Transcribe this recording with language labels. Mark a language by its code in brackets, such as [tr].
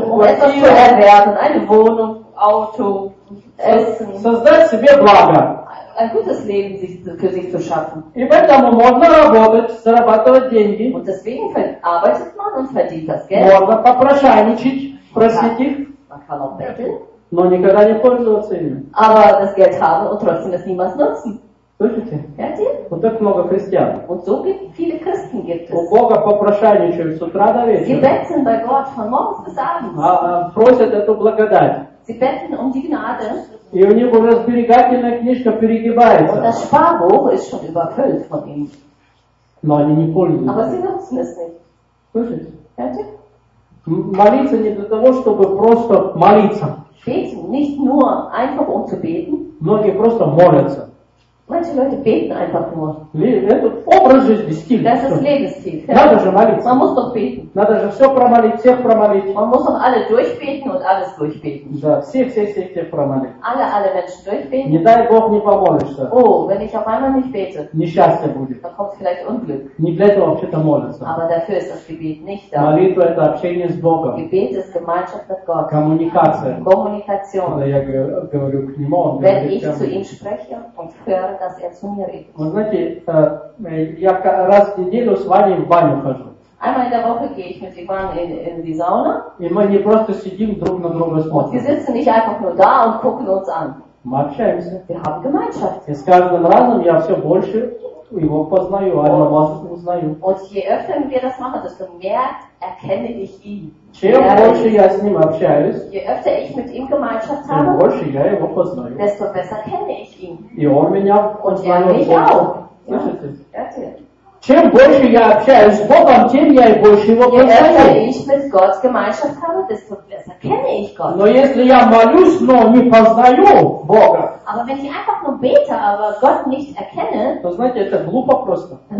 [ru] квартиру, [de] erwerben, eine Wohnung, Auto, Essen. [ru] Создать себе благо. [de] Ein gutes Leben für sich zu schaffen. [ru] И поэтому можно работать, зарабатывать деньги. [de] Und deswegen arbeitet man und verdient das Geld. [ru] Можно попрошайничать, просить их. [de] Man kann auch betteln. [ru] Но никогда не пользоваться ими. [de] Aber das Geld haben und trotzdem es niemals nutzen. [ru] Слышите? [de] Hört ihr? [ru] Вот так много христиан. [de] Und so viele Christen gibt es. [ru] У Бога попрошайничают с утра до вечера. [de] Sie betteln bei Gott von morgens bis abends. [ru] Просят эту благодать. [de] Sie betteln um die Gnade. [ru] И у них уже сберегательная книжка перегибается. [de] Das Sparbuch ist schon überfüllt von ihm. [ru] Но они не пользуются. [de] Aber sie nutzen es nicht. [ru] Слышите? Молиться не для того, чтобы просто молиться. [de] Beten nicht nur einfach um zu beten. [ru] Многие просто молятся. [de] Manche Leute beten einfach nur. [ru] Образ жизни, стиль. [de] Das ist Lebensstil. [ru] Надо же молиться. [de] Man muss doch beten. [ru] Надо же все промолить, всех промолить. [de] Man muss doch alle durchbeten und alles durchbeten. [ru] Да, все промолить. [de] Alle Menschen durchbeten. [ru] Не дай Бог не помолишься. [de] Oh, wenn ich auf einmal nicht bete. [ru] Несчастье будет. [de] Dann kommt vielleicht Unglück. [ru] Не для этого вообще-то молиться. [de] Aber dafür ist das Gebet nicht da. [ru] Молитва – это общение с Богом. [de] Gebet ist Gemeinschaft mit Gott. [ru] Коммуникация. [de] Kommunikation. [ru] Когда я говорю к нему, он говорит, [de] wenn ich zu ihm spreche und höre, dass er zu mir redet. [ru] Вы знаете, я раз в неделю с вами в баню хожу. [de] Einmal in der Woche gehe ich mit Ivan in die Sauna. [ru] И мы не просто сидим друг на друга смотрим. [de] Wir sitzen nicht einfach nur da und gucken uns an. [ru] Мы общаемся. [de] Wir haben Gemeinschaft. [ru] И с каждым разом я все больше его познаю, а я вас узнаю. [de] Und je öfter wir das machen, desto mehr erkenne ich ihn. [ru] Чем больше я с ним общаюсь, [de] je öfter ich mit ihm Gemeinschaft habe, [ru] тем больше я его познаю. [de] Desto besser kenne ich ihn. [ru] И он меня познает больше. Слышите? Чем больше я общаюсь с Богом, тем я и больше его познаю. Но если я молюсь, но не познаю Бога, то знаете, это глупо просто.